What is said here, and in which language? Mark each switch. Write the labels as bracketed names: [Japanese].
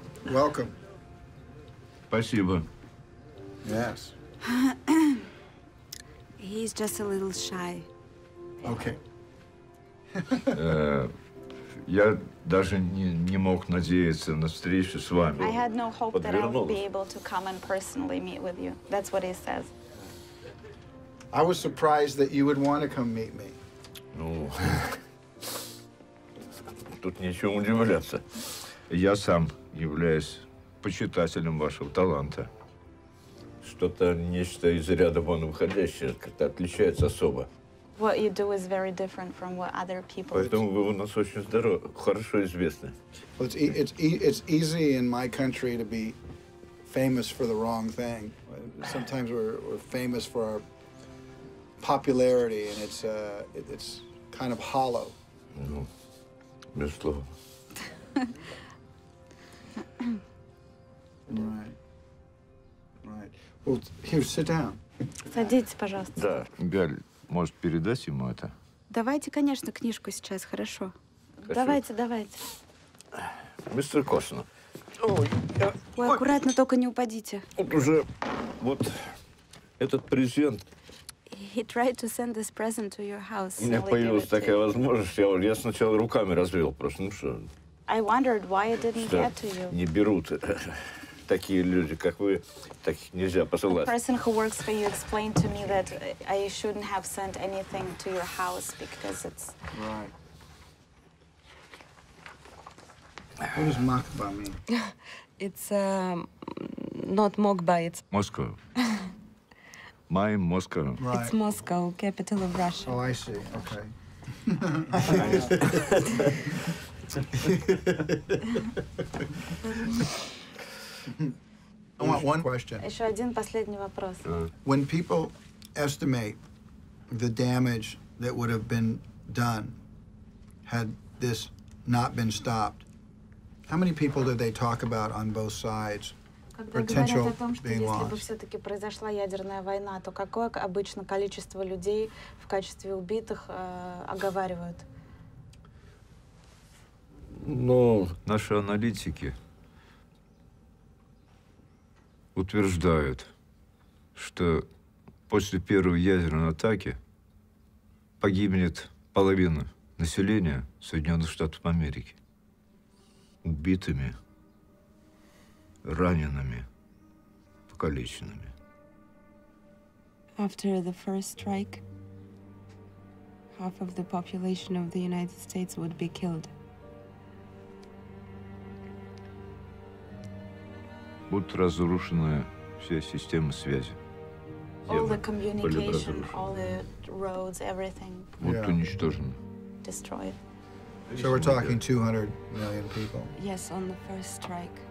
[English] Welcome. [Russian] Спасибо. [English] Yes. He's just a little shy. Okay. [Russian] Я даже не мог надеяться на встречу с вами. [English] I had no hope that I would be able to come and personally meet with you. That's what he says. I was surprised that you would want to come meet me. [Russian] Ну, тут нечего удивляться. Я сам являюсь почитателем вашего таланта. Что-то нечто из ряда вон выходящее, как-то отличается особо. [English] What you do is very different from what other people do. [Russian] Поэтому вы у нас очень здоровы, хорошо известны. [English] Well, it's easy in my country to be famous for the wrong thing. Sometimes we're famous for our popularity, and it's kind of hollow. [Russian] Ну, без слова. [English] Right. Well, here, sit down. [Russian] Садитесь, пожалуйста. Да, Галь. Может, передать ему это? Давайте, конечно, книжку сейчас, хорошо? Давайте, давайте. Мистер Костнер. Ой, аккуратно, только не упадите. Вот уже, вот этот презент. [English] He tried to send this present to your house. [Russian] У меня появилась такая возможность. Я сначала руками развел просто, ну что? [English] I wondered why it didn't get to you. [Russian] Не берут. Такие люди, как вы, таких нельзя посылать. [English] A person who works for you explained to me that I shouldn't have sent anything to your house because it's... Right. What does Makba mean? It's not Mokba, it's... Moscow. My Moscow. Right. It's Moscow, capital of Russia. Oh, I see. Okay. [Russian] Еще один последний вопрос. [English] When people estimate the damage that would have been done had this not been stopped. How many people did they talk about on both sides? Potential being lost. [Russian] Если бы все-таки произошла ядерная война, то какое обычно количество людей в качестве убитых оговаривают? Ну, наши аналитики утверждают, что после первой ядерной атаки погибнет половина населения Соединенных Штатов Америки. Убитыми, ранеными, покалеченными. [English] After the first strike, half of the population of the United States would be killed. [Russian] Будут разрушены все системы связи. [English] All the communication, all the roads, everything. [Russian] Будут уничтожены. [English] Destroyed. So we're talking 200 million people. Yes, on the first strike.